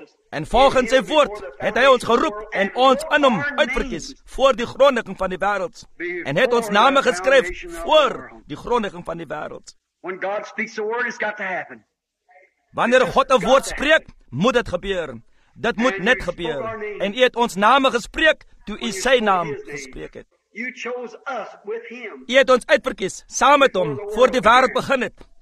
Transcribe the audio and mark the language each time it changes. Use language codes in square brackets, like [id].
[af] En volgens sy woord het hy ons geroep en ons in hom uitverkies voor die grondlegging van die wereld en het ons name geskryf voor die grondlegging van die wereld. [en] When God speaks a word, it's got to happen. [af] Wanneer God een woord spreek, moet het gebeur. Dit moet net gebeur. En u het ons name gespreek, toe u sy naam gespreek het. [en] You chose us with him. [af] U het ons uitverkies, saam met hom, voor die wereld begin het.